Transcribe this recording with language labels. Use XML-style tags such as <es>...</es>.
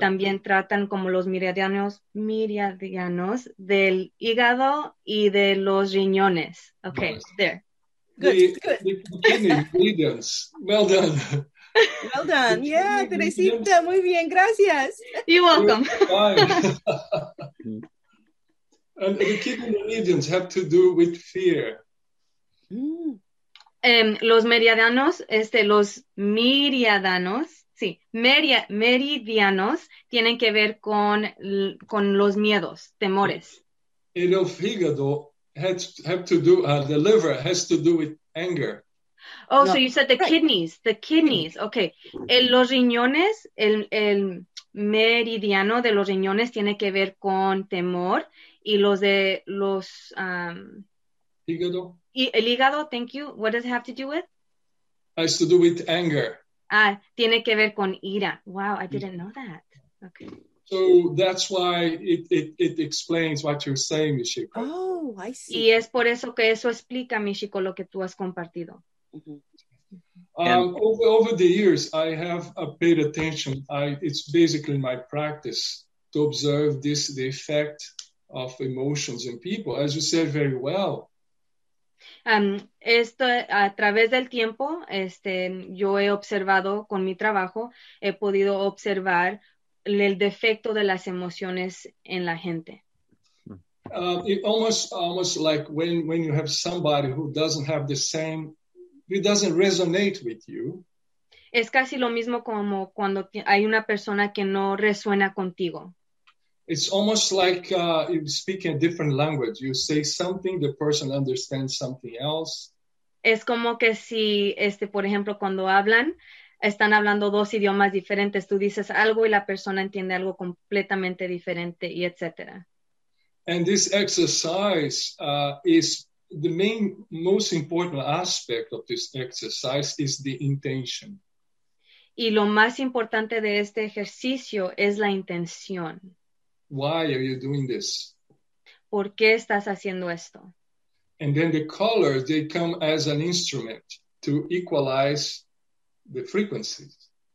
<es>También tratan como los meridianos del hígado y de los riñones.</es> <en>Okay, nice. There. Good. Well done. Well done. Yeah,</en> <es>Teresita, muy bien, gracias.</es> <en>You're welcome. And the kidney meridians have to do with fear.</en> <es>Los meridianos, los meridianos, sí, meridianos tienen que ver con los miedos, temores. El hígado</es> <en>the liver has to do with anger. Oh, no. So you said the kidneys. Okay.</en> <es>Los riñones, el meridiano de los riñones tiene que ver con temor y los de los... hígado. Y el hígado,</es> <en>thank you. What does it have to do with? It has to do with anger. Ah,</en> <es>tiene que ver con ira.</es> <en>Wow, I didn't know that. Okay. So that's why it explains what you're saying, Michiko. Oh, I see.</en> <es>Y es por eso que eso explica, Michiko, lo que tú has compartido. Mm-hmm.</es> <en>Over the years, I have paid attention. It's basically my practice to observe the effect of emotions in people, as you said very well.</en> <es>A través del tiempo, yo he observado con mi trabajo, he podido observar el defecto de las emociones en la gente.</es> <en>It almost like when you have somebody who doesn't have the same. It doesn't resonate with you.</en> <es>Es casi lo mismo como cuando hay una persona que no resuena contigo.</es> <en>It's almost like you're speaking a different language. You say something, the person understands something else.</en> <es>Es como que si, por ejemplo, cuando hablan, están hablando dos idiomas diferentes. Tú dices algo y la persona entiende algo completamente diferente, y etc.</es> <en>And this exercise is... The main, most important aspect of this exercise is the intention.</en> <es>Y lo más importante de este ejercicio es la intención.</es> <en>Why are you doing this?</en> <es>¿Por qué estás haciendo esto?</es> <en>And then the colors, they come as an instrument to equalize the frequencies.</en>